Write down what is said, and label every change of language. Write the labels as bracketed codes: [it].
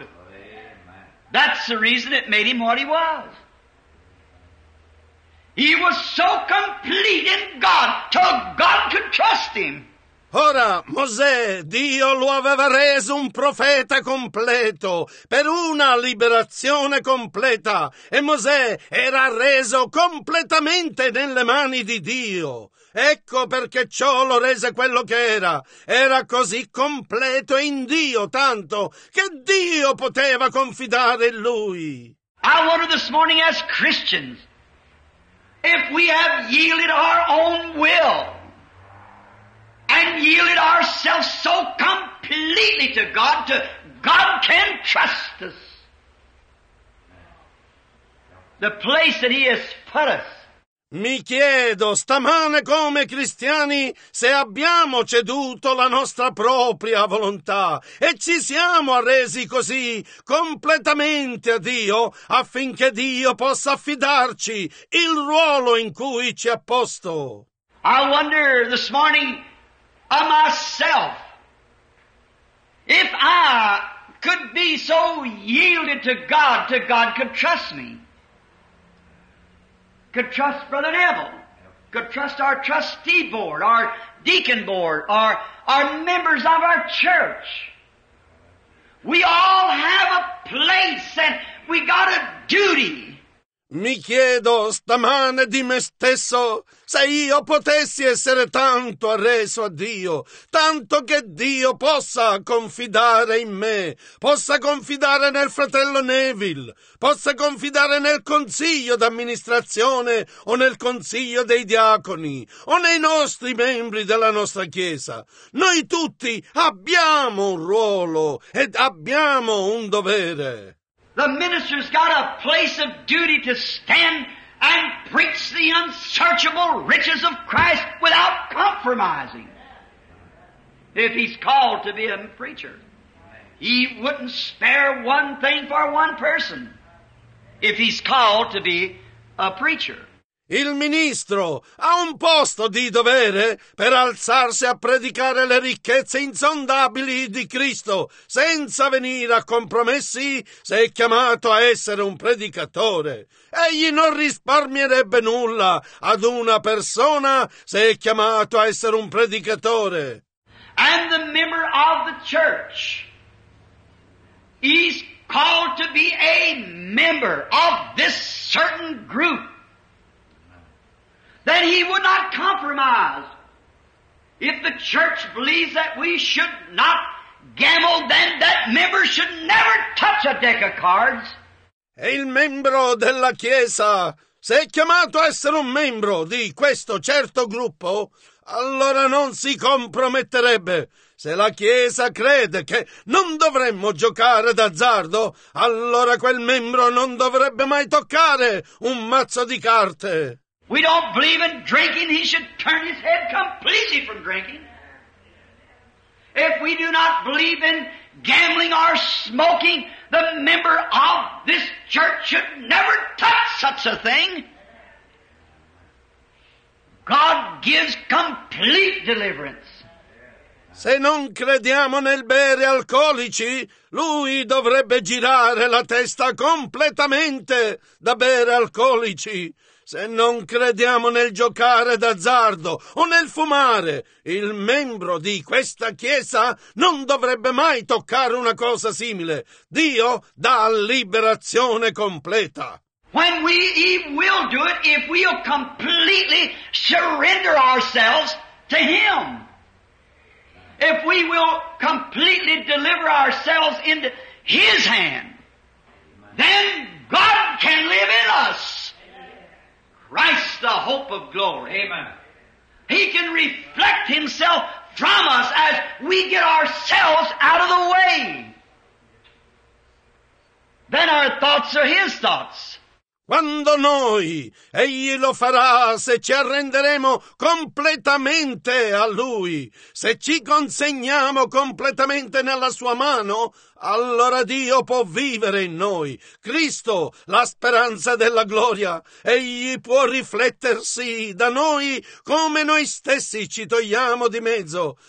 [en] Amen. That's the reason it made him what he was. He was so complete in God, so God could trust him. [it] Ora, Mosè, Dio lo aveva reso un profeta completo per una liberazione completa, e Mosè era reso completamente nelle mani di Dio. Ecco perché ciò lo rese quello che era. Era così completo in Dio, tanto che Dio poteva confidare in lui. [en] I wonder this morning as Christians, if we have yielded our own will and yielded ourselves so completely to God, to God can trust us. The place that He has put us. [it] Mi chiedo stamane, come cristiani, se abbiamo ceduto la nostra propria volontà e ci siamo arresi così completamente a Dio, affinché Dio possa affidarci il ruolo in cui ci ha posto. [en] I wonder this morning, of myself, if I could be so yielded to God could trust me, could trust Brother Neville, could trust our trustee board, our deacon board, our members of our church. We all have a place and we got a duty. [it] Mi chiedo stamane di me stesso se io potessi essere tanto arreso a Dio, tanto che Dio possa confidare in me, possa confidare nel fratello Neville, possa confidare nel consiglio d'amministrazione o nel consiglio dei diaconi o nei nostri membri della nostra Chiesa. Noi tutti abbiamo un ruolo ed abbiamo un dovere. [en] The minister's got a place of duty to stand and preach the unsearchable riches of Christ without compromising. If he's called to be a preacher, he wouldn't spare one thing for one person if he's called to be a preacher. [it] Il ministro ha un posto di dovere per alzarsi a predicare le ricchezze insondabili di Cristo senza venire a compromessi se è chiamato a essere un predicatore. Egli non risparmierebbe nulla ad una persona se è chiamato a essere un predicatore. [en] And the member of the church is called to be a member of this certain group. Then he would not compromise. If the church believes that we should not gamble, then that member should never touch a deck of cards. [it] E il membro della Chiesa, se è chiamato a essere un membro di questo certo gruppo, allora non si comprometterebbe. Se la Chiesa crede che non dovremmo giocare d'azzardo, allora quel membro non dovrebbe mai toccare un mazzo di carte. [en] We don't believe in drinking. He should turn his head completely from drinking. If we do not believe in gambling or smoking, the member of this church should never touch such a thing. God gives complete deliverance. [it] Se non crediamo nel bere alcolici, lui dovrebbe girare la testa completamente da bere alcolici. Se non crediamo nel giocare d'azzardo o nel fumare, il membro di questa chiesa non dovrebbe mai toccare una cosa simile. Dio dà liberazione completa. [en] When we will do it if we'll completely surrender ourselves to Him. If we will completely deliver ourselves into His hand, then God can live in us. Christ, the hope of glory. Amen. He can reflect Himself from us as we get ourselves out of the way. Then our thoughts are His thoughts. [it] Quando noi, Egli lo farà se ci arrenderemo completamente a Lui, se ci consegniamo completamente nella Sua mano, allora Dio può vivere in noi. Cristo, la speranza della gloria, Egli può riflettersi da noi come noi stessi ci togliamo di mezzo.